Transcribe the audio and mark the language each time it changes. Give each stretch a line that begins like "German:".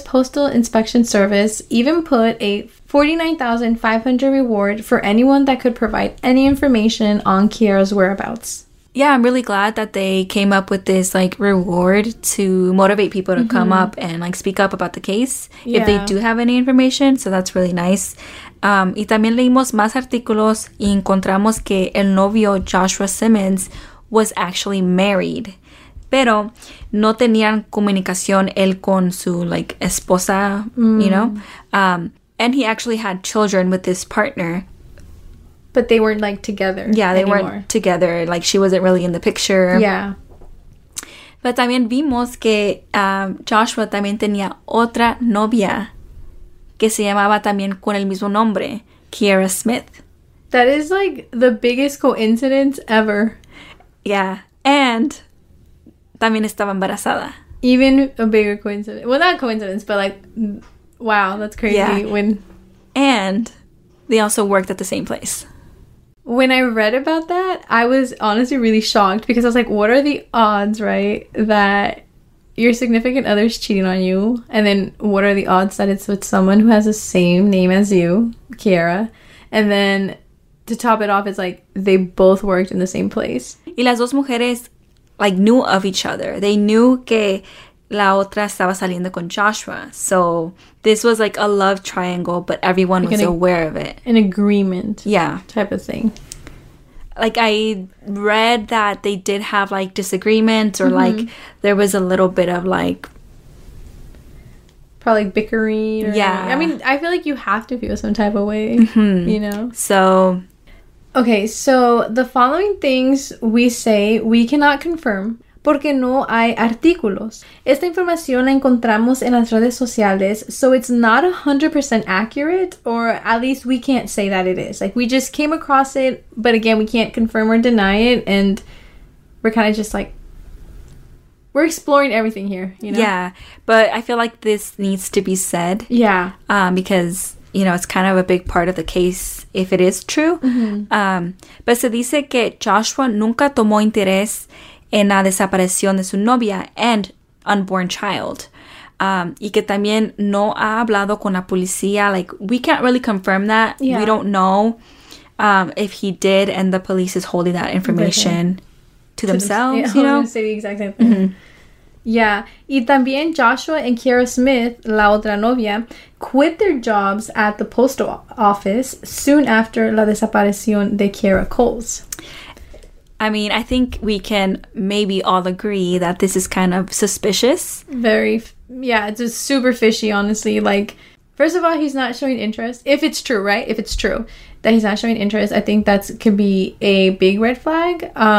English: Postal Inspection Service even put a $49,500 reward for anyone that could provide any information on Kiera's whereabouts. Yeah, I'm really glad that they came up with this, like, reward to motivate people to mm-hmm. come up and, like, speak up about the case if they do have any information. So that's really nice.
Spanish: Y también leímos más artículos y encontramos que el novio Joshua Simmons
English: was actually married.
Spanish: Pero no tenían comunicación él con su, like, esposa,
English: you know? And he actually had children with his partner. But they weren't, like, together Yeah, they anymore. Weren't together. Like, she wasn't really in the picture. Yeah.
Spanish: But también vimos que Joshua también tenía otra novia que se llamaba también con el mismo nombre, Kiera Smith.
English: That is, like, the biggest coincidence ever. Yeah.
Spanish: And también estaba embarazada.
English: Even a bigger coincidence. Well, not coincidence, but, like, wow, that's crazy. Yeah. When And they also worked at the same place. When I read about that, I was honestly really shocked because I was like, what are the odds, right, that your significant other's cheating on you? And then what are the odds that it's with someone who has the same name as you, Kiera? And then to top it off, it's like they both worked in the same place.
Spanish: Y las dos mujeres,
English: like, knew of each other. They knew
Spanish: que la otra estaba saliendo con Joshua.
English: So this was like a love triangle, but everyone like was aware of it. An agreement. Yeah. Type of thing. Like, I read that they did have, like, disagreements or, mm-hmm. like, there was a little bit of, like, probably bickering. Or yeah. Like, I mean, I feel like you have to feel some type of way, mm-hmm. you know? So, okay, so the following things we say we cannot confirm
Spanish: porque no hay artículos. Esta información la encontramos en las redes sociales,
English: so it's not 100% accurate, or at least we can't say that it is. Like, we just came across it, but again, we can't confirm or deny it, and we're kind of just like, we're exploring everything here, you know? Yeah, but I feel like this needs to be said. Yeah. Because, you know, it's kind of a big part of the case if it is true. Mm-hmm.
Spanish: But se dice que Joshua nunca tomó interés en la desaparición de su novia
English: and unborn child.
Spanish: Y que también no ha hablado con la policía.
English: Like, we can't really confirm that. Yeah. We don't know if he did, and the police is holding that information to themselves, you know? I was going to say the exact same thing. Mm-hmm. Yeah.
Spanish: Y también
English: Joshua and Kiera Smith,
Spanish: la otra novia,
English: quit their jobs at the postal office soon after
Spanish: la desaparición de
English: Kiera Coles. I mean, I think we can maybe all agree that this is kind of suspicious. Very, yeah, it's just super fishy, honestly. Like, first of all, he's not showing interest. If it's true, right? If it's true that he's not showing interest, I think that could be a big red flag.